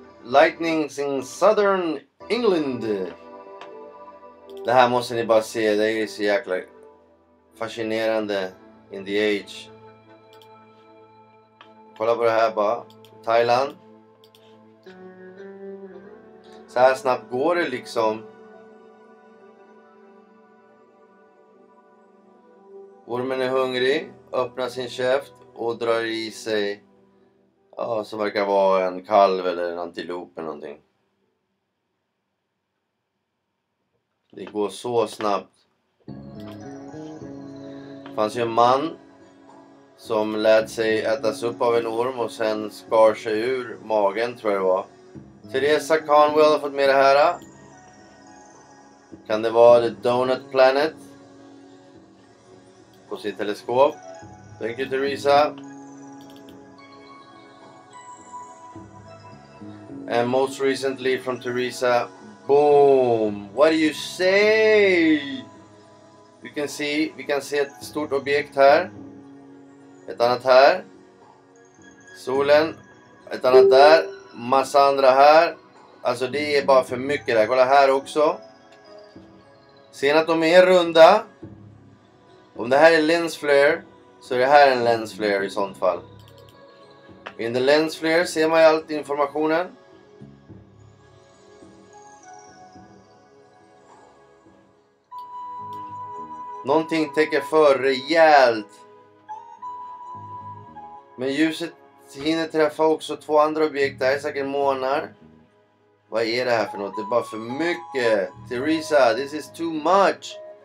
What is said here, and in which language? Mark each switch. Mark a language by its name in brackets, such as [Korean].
[English] Lightnings in Southern England. [Swedish] Det här måste ni bara se. Det är så jäkla fascinerande. [English] In the age. [Swedish] Kolla på det här bara. Thailand. Så här snabbt går det liksom. Ormen är hungrig. Öppnar sin käft. Och drar i sig. Ja, som verkar vara en kalv eller en antilop eller någonting. Det går så snabbt. Det fanns ju en man som lät sig ätas upp av en orm och sen skar sig ur magen, tror jag det var. Theresa Conwell har fått med det här. Kan det vara The Donut Planet? På sitt teleskop. [English] Thank you, Theresa. And most recently from Theresa. Boom! What do you say? [Swedish] Vi kan se ett stort objekt här. Ett annat här. Solen. Ett annat där. Massa andra här. Alltså det är bara för mycket där. Kolla här också. Ser ni att de är runda? Om det här är lens flare. Så är det här en lens flare i sånt fall. [English] In the [Swedish] lens flare ser man ju allt informationen. Någonting täcker för rejält. Men ljuset hinner träffa också två andra objekt. Det här är säkert månar. Vad är det här för något? Det är bara för mycket. [English] Theresa, this is too much.